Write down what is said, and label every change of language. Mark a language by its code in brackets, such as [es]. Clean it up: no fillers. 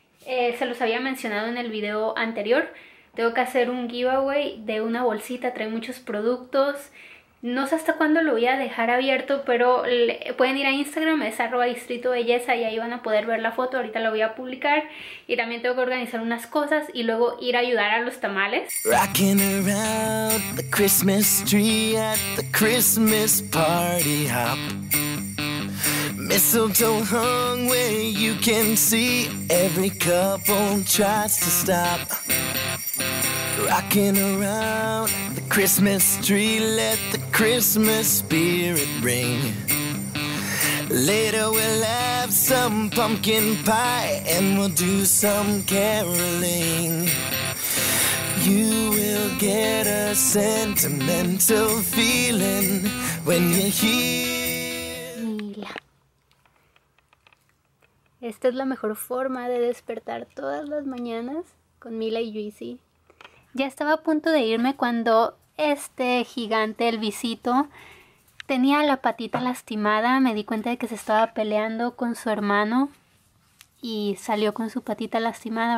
[es] Se los había mencionado en el video anterior. Tengo que hacer un giveaway de una bolsita, trae muchos productos. No sé hasta cuándo lo voy a dejar abierto, pero pueden ir a Instagram, es @distritobelleza y ahí van a poder ver la foto. Ahorita lo voy a publicar y también tengo que organizar unas cosas y luego ir a ayudar a los tamales. [en] Rocking around the Christmas tree at the Christmas party hop. Mistletoe hung where you can see every couple tries to stop. Rocking around the Christmas tree, let the Christmas spirit ring. Later we'll have some. some pumpkin pie and we'll do some caroling. You will get a sentimental feeling when you're here. Mila. [es] Esta es la mejor forma de despertar todas las mañanas con Mila y Juicy. Ya estaba a punto de irme cuando este gigante, el visito, tenía la patita lastimada. Me di cuenta de que se estaba peleando con su hermano y salió con su patita lastimada.